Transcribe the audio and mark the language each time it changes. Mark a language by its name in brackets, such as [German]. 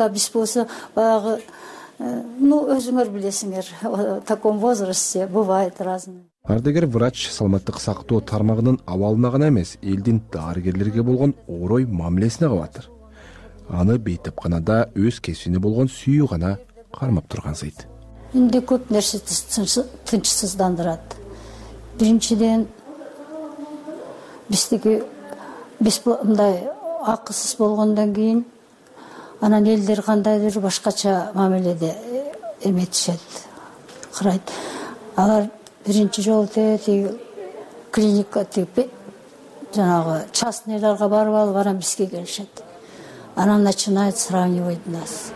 [Kyrgyz] А биз болсо баягы өзүңөр билесиңер, [Russian] в таком возрасте бывает разное. [Kyrgyz] Ардыгер врач саламаттык сактоо тармагынын абалына гана эмес, элдин дарыгерлерге болгон орой мамилесине кабатыр. Аны бейтапканада өз кесибине болгон сүйүү гана кармап тургансыйт. Инде көп нерсе тынчсыздандырат. Биринчиден биздики мындай акысыз болгондон кийин анан элдер кандайдыр башкача мамиледе эметишет, карайт. Алар биринчи жолу тетиги клиника жанагы частныйларга барып алып анан бизге келишет. [Russian] Анан начинают сравнивать нас.